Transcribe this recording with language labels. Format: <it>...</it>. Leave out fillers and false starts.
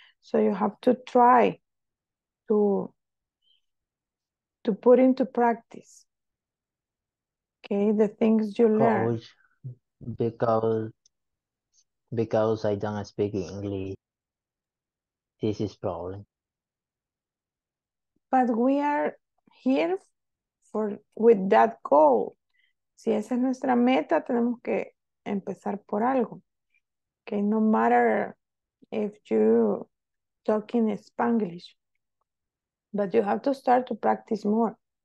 <en>So you have to try to put into practice, okay, the things you learn. Because I don't speak English, this is problem. But we are here for with that goal.</en> <es>Si esa es nuestra meta, tenemos que empezar por algo.</es> <en>Okay, no matter if you talk in Spanglish, but you have to start to practice more.</en>